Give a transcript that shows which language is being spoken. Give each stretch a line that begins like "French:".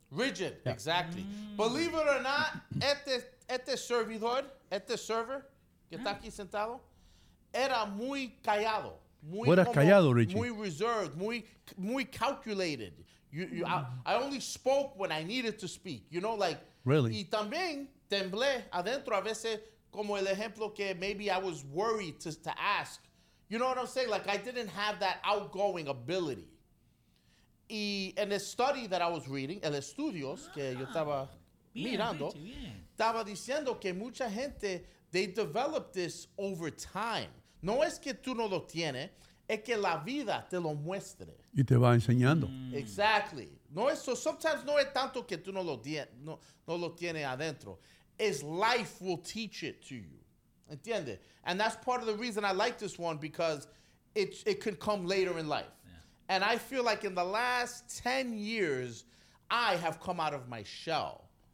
English: Rigid, yeah. Exactly. Believe it or not,
Spanish: este servidor, este server que está aquí sentado, era muy callado. Muy eras callado, Richie. Muy
English: reserved,
Spanish: muy
English: calculated. I only spoke when I needed to speak. You know, like... Really?
Spanish: Y también temblé adentro a veces como el ejemplo que
English: maybe I was worried to ask. You know what I'm saying? Like, I didn't have that outgoing ability.
Spanish: Y en el
English: study that I was reading,
Spanish: el estudios que yo estaba mirando, estaba diciendo que mucha gente,
English: they develop this over time.
Spanish: No es que tú no lo tienes, es que la vida te lo muestre. Y te va enseñando.
English: Exactly.
Spanish: No es, so sometimes no es tanto que tú no lo tienes adentro.
English: It's life will teach it to you.
Spanish: ¿Entiendes?
English: And that's part of the reason I like this one because it could come later in life. And I feel like in the last 10 years, I have come out of my shell.